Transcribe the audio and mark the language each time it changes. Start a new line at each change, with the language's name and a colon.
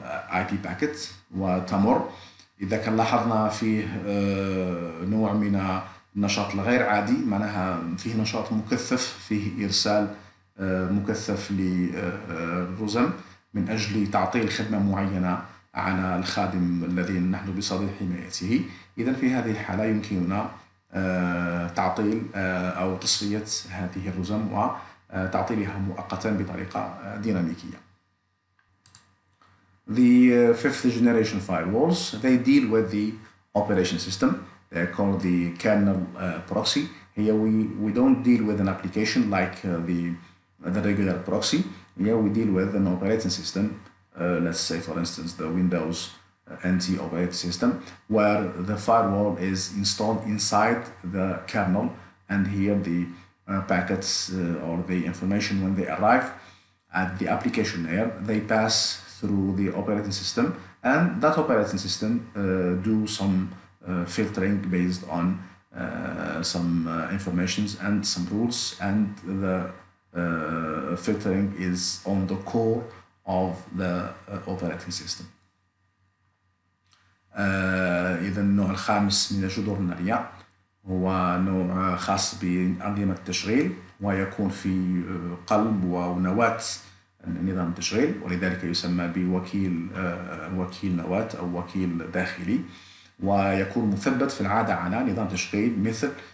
Arabic: IP packet وتمر، إذا كان لاحظنا فيه نوع من النشاط الغير عادي، معناها فيه نشاط مكثف، فيه إرسال مكثف للرزم من أجل تعطيل خدمة معينة على الخادم الذي نحن بصدد حمايته، إذا في هذه الحالة يمكننا تعطيل أو تصفية هذه الرزم وتعطيلها مؤقتا بطريقة ديناميكية.
English: The fifth generation firewalls, they deal with the operation system. They're called the kernel proxy. Here we don't deal with an application like the regular proxy. Here we deal with an operating system. Let's say, for instance, the Windows NT operating system, where the firewall is installed inside the kernel, and here the packets or the information, when they arrive at the application layer, they pass through the operating system, and that operating system do some filtering based on some informations and some rules, and the filtering is on the core of the operating system.
Arabic: إذا النوع الخامس من جذور النريع هو نوع خاص بأنظمة التشغيل ويكون في قلب ونواة نظام التشغيل ولذلك يسمى بوكيل وكيل نواة أو وكيل داخلي ويكون مثبت في العادة على نظام تشغيل مثل